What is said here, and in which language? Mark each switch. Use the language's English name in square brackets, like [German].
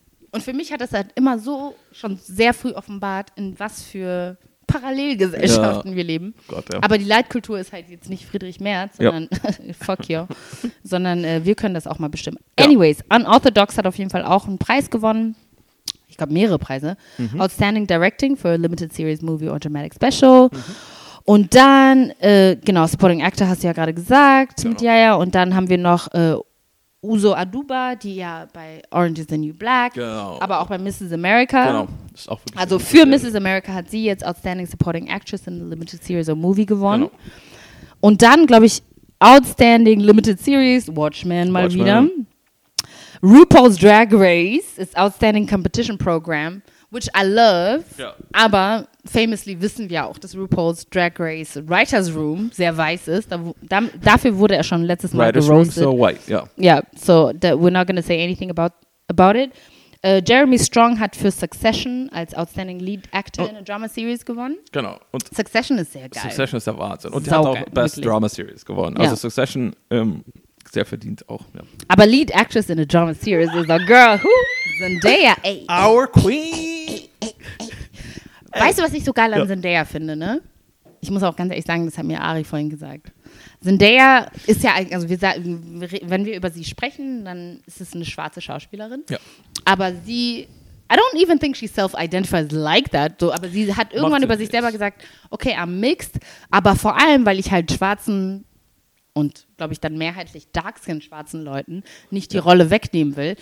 [German] Und für mich hat das halt immer so schon sehr früh offenbart, in was für Parallelgesellschaften wir leben. Gott, aber die Leitkultur ist halt jetzt nicht Friedrich Merz, sondern [English] fuck you, [German] sondern wir können das auch mal bestimmen. Anyways, Unorthodox hat auf jeden Fall auch einen Preis gewonnen. Ich glaube mehrere Preise. Mhm. [English] Outstanding Directing for a Limited Series Movie or Dramatic Special. Mhm. [German] Und dann, Supporting Actor hast du ja gerade gesagt mit Yaya. Und dann haben wir noch Uzo Aduba, die ja bei Orange is the New Black, aber auch bei Mrs. America. Genau. Ist auch wirklich, also für Mrs. America hat sie jetzt Outstanding Supporting Actress in a Limited Series or Movie gewonnen. Genau. Und dann, glaube ich, Outstanding Limited Series, Watchmen mal wieder. RuPaul's Drag Race ist Outstanding Competition Program, [English] which I love, [German] aber famously wissen wir auch, dass RuPaul's Drag Race Writer's Room sehr weiß ist. Dafür wurde er schon letztes Mal gerostet. [English] Writer's Room so white, we're not going to say anything about it. [German] Jeremy Strong hat für Succession als Outstanding Lead Actor in a Drama Series gewonnen. Genau. Und Succession ist sehr geil. Succession ist der Wahnsinn. Und der hat auch Best wirklich. Drama Series gewonnen. Also Succession, sehr verdient auch. Ja. [English] Aber Lead Actress in a Drama Series is a girl who Zendaya ate. Our Queen! [German] Weißt du, was ich so geil an Zendaya finde, ne? Ich muss auch ganz ehrlich sagen, das hat mir Ari vorhin gesagt. Zendaya ist ja, also wir sagen, wenn wir über sie sprechen, dann ist es eine schwarze Schauspielerin. Ja. Aber sie, [English] I don't even think she self-identifies like that, [German] so, aber sie hat irgendwann über sich selber gesagt, okay, [English] I'm mixed, [German] aber vor allem, weil ich halt schwarzen und, glaube ich, dann mehrheitlich dark-skin-schwarzen Leuten nicht die Rolle wegnehmen will.